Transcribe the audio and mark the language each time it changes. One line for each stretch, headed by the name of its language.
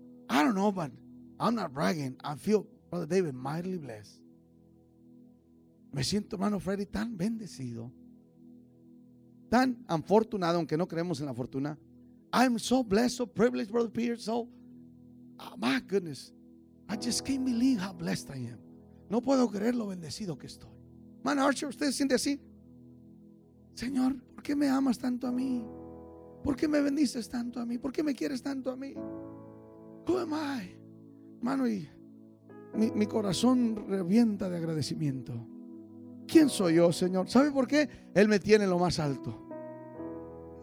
English: I don't know, but I'm not bragging, I feel, Brother David, mightily blessed.
Spanish: Me siento, hermano Freddy, tan bendecido, tan afortunado, aunque no creemos en la fortuna.
English: I'm so blessed, so privileged, Brother Peter, so, oh, my goodness, I just can't believe how blessed I am.
Spanish: No puedo creer lo bendecido que estoy. Man Archer, ¿usted se siente así? Señor, ¿por qué me amas tanto a mí? ¿Por qué me bendices tanto a mí? ¿Por qué me quieres tanto a mí?
English: Who am I?
Spanish: Mano, y mi corazón revienta de agradecimiento. ¿Quién soy yo, Señor? ¿Sabe por qué? Él me tiene en lo más alto.